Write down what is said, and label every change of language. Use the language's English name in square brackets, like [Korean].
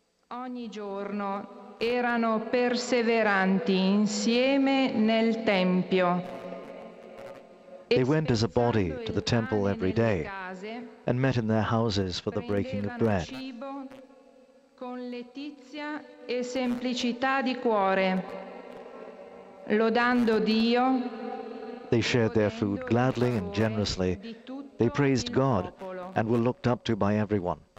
[Italian] Ogni giorno erano perseveranti insieme nel tempio. [English] They went as a body to the temple every day and met in their houses for the breaking of bread. [Italian] Con letizia e semplicità di cuore, lodando Dio. [English] They shared their food gladly and generously. They praised God and were looked up to by everyone.